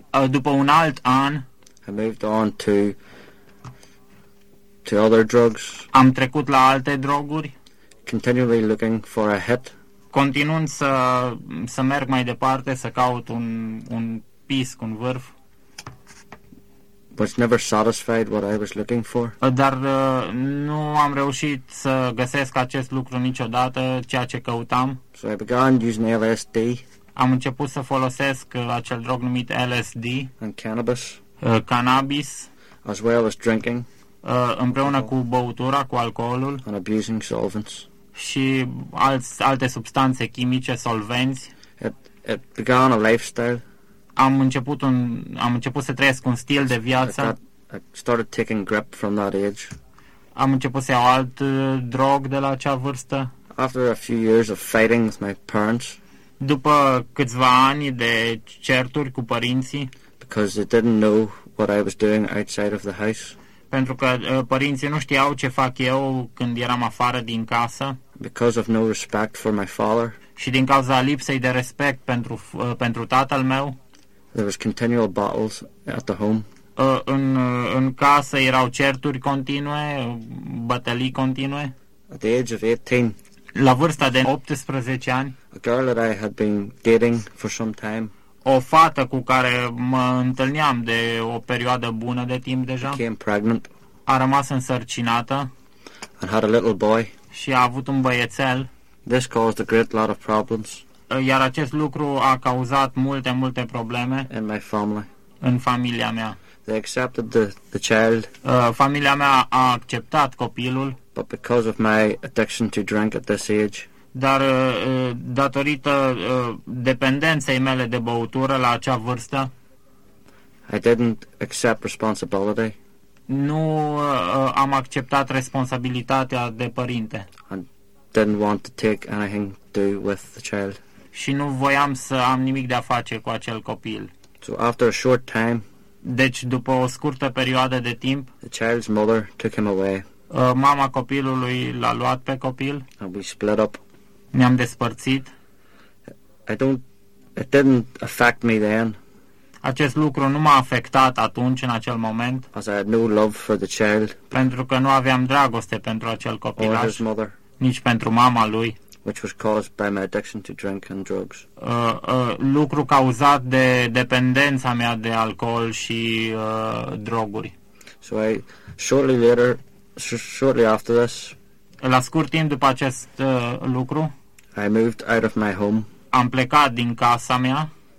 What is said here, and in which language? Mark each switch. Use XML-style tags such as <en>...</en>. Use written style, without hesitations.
<ro>după un alt an,</ro> <en>I moved on to other drugs.</en> <ro>Am trecut la alte droguri.</ro> <en>Continually looking for a hit.</en> <ro>Continuând să merg mai departe, să caut un pisc, un vârf.</ro> <en>Was never satisfied what I was looking for.</en> <ro>Dar nu am reușit să găsesc acest lucru niciodată, ceea ce căutam.</ro> <en>So I began using LSD.</en> <ro>Am început să folosesc acel drog numit LSD.</ro> <en>And cannabis.</en> <ro>Cannabis.</ro> <en>As well as drinking.</en> <ro>Împreună cu băutura, cu alcoolul.</ro> <en>And abusing solvents.</en> <ro>Și alte substanțe chimice, solvenți.</ro> <en>It began a lifestyle.</en> <ro>Am început să trăiesc un stil de viață.</ro> <en>I started taking grip from that age.</en> <ro>Am început să iau alt drog de la acea vârstă.</ro> <en>After a few years of fighting with my parents.</en> <ro>După câțiva ani de certuri cu părinții.</ro> <en>Because they didn't know what I was doing outside of the house.</en> <ro>Pentru că părinții nu știau ce fac eu când eram afară din casă.</ro> <en>Because of no respect for my father.</en> <ro>Și din cauza lipsei de respect pentru tatăl meu.</ro> <en>There was continual battles at the home.</en> <ro>În casă erau certuri continue, bătălii continue.</ro> <en>At the age of 18.</en> <ro>La vârsta de 18 ani.</ro> <en>A girl that I had been dating for some time.</en> <ro>O fată cu care mă întâlneam de o perioadă bună de timp deja.</ro> <en>Became pregnant.</en> <ro>A rămas însărcinată.</ro> <en>And had a little boy.</en> <ro>Și a avut un băiețel.</ro> <en>This caused a great lot of problems.</en> <ro>Iar acest lucru a cauzat multe, multe probleme</ro> <en>in my family.</en> <ro>În familia mea.</ro> <en>They accepted the child.</en> <ro>Familia mea a acceptat copilul.</ro> <en>But because of my addiction to drink at this age.</en> <ro>Dar datorită dependenței mele de băutură la acea vârstă.</ro> <en>I didn't accept responsibility.</en> <ro>Nu am acceptat responsabilitatea de părinte.</ro> <en>And didn't want to take anything to do with the child.</en> <ro>Și nu voiam să am nimic de a face cu acel copil.</ro> <en>So after a short time,</en> <ro>deci după o scurtă perioadă de timp,</ro> <en>the child's mother took him away.</en> <ro>Mama copilului l-a luat pe copil.</ro> <en>And we split up.</en> <ro>Ne-am despărțit.</ro> <en>It didn't affect me then.</en> <ro>Acest lucru nu m-a afectat atunci, în acel moment.</ro> <en>As I had no love for the child.</en> <ro>Pentru că nu aveam dragoste pentru acel copil.</ro> <en>Or his mother.</en> <ro>Nici pentru mama lui.</ro> <en>Which was caused by my addiction to drink and drugs.</en> <ro>Lucru cauzat de dependența mea de alcool și droguri.</ro> <en>So I shortly after this.</en> <ro>La scurt timp după acest lucru.</ro> <en>I moved out of my home.</en> <ro>Am plecat din casa mea.</ro>